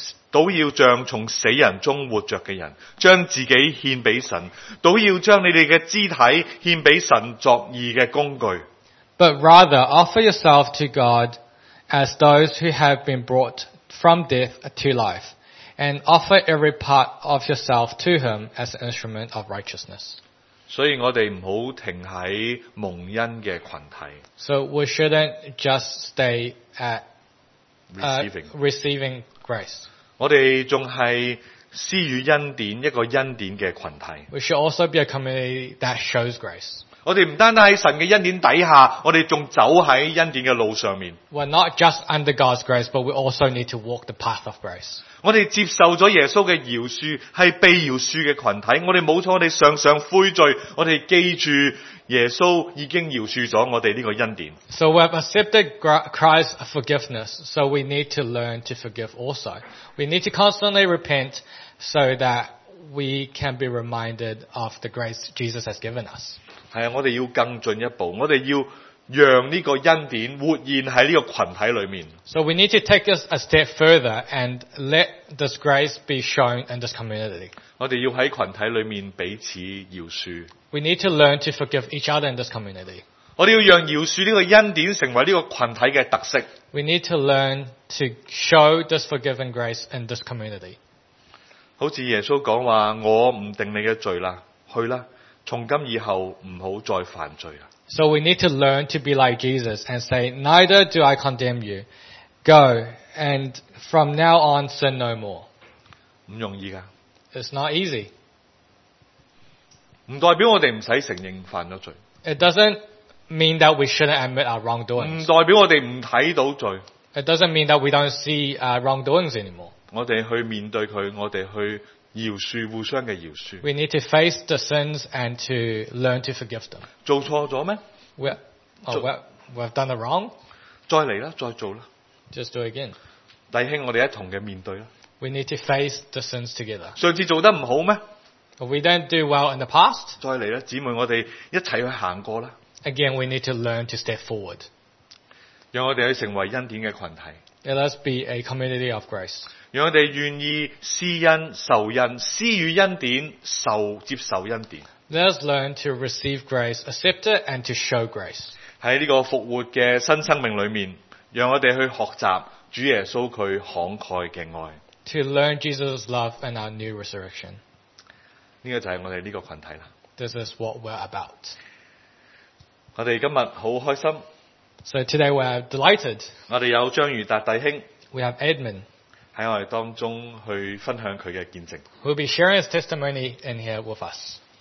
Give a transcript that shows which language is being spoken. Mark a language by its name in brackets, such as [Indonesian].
[Chinese] 倒要像从死人中活着的人，将自己献给神，倒要将你们的肢体献给神作义的工具。 [English] But rather, offer yourself to God as those who have been brought from death to life, and offer every part of yourself to him as an instrument of righteousness. [Chinese] 所以我们不要停在蒙恩的群体。 [English] So we shouldn't just stay at Receiving grace. [Chinese] 我们还是施予恩典，一个恩典的群体。 [English] We should also be a community that shows grace. [Chinese] 我们不单单在神的恩典底下，我们还走在恩典的路上面。 [English] We're not just under God's grace, but we also need to walk the path of grace. [Chinese] 我们接受了耶稣的饶恕，是被饶恕的群体。我们没错，我们常常悔罪，我们记住耶稣已经饶恕了我们这个恩典。 [English] So we have accepted Christ's forgiveness, so we need to learn to forgive also. We need to constantly repent so that we can be reminded of the grace Jesus has given us. [Chinese] 是啊，我们要更进一步，我们要让这个恩典活现在这个群体里面。 [English] So we need to take this a step further and let this grace be shown in this community. [Chinese] 我们要在群体里面彼此饶恕。 [English] We need to learn to forgive each other in this community. [Chinese] 我们要让饶恕这个恩典成为这个群体的特色。 [English] We need to learn to show this forgiving grace in this community. [Chinese] 好像耶稣讲话，我不定你的罪了，去吧，从今以后不要再犯罪了。 [English] So we need to learn to be like Jesus and say, neither do I condemn you. Go, and from now on, sin no more. [Chinese] 不容易的。 [English] It's not easy. [Chinese] 不代表我们不用承认犯了罪。 [English] It doesn't mean that we shouldn't admit our wrongdoings. [Chinese] 不代表我们不看到罪。 [English] It doesn't mean that we don't see our wrongdoings anymore. [Chinese] 我们去面对它，我们去饶恕互相的饶恕。 [English] We need to face the sins and to learn to forgive them. [Chinese] 做错了吗？ [English] We've done it wrong. [Chinese] 再来啦，再做啦。 [English] Just do it again. [Chinese] 弟兄，我们一同的面对啦。 [English] We need to face the sins together. [Chinese] 上次做得不好吗？ [English] We didn't do well in the past. [Chinese] 再来啦，姊妹，我们一起去行过啦。 [English] Again, we need to learn to step forward. [Chinese] 让我们去成为恩典的群体。 [English] Let us be a community of grace. [Chinese] 让我们愿意施恩受恩，施予恩典受接受恩典。 [English] Let us learn to receive grace, accept it, and to show grace. [Chinese] 在这个复活的新生命里面，让我们去学习主耶稣祂慷慨的爱。 [English] To learn Jesus' love and our new resurrection. [Chinese] 这个就是我们这个群体了。 [English] This is what we're about. [Chinese] 我们今天很开心。 [English] So today we are delighted. [Chinese] 我们有张如达弟兄。 [English] We have Edmund. [Chinese] 在我们当中去分享他的见证。 [English] Who'll be sharing his testimony in here with us.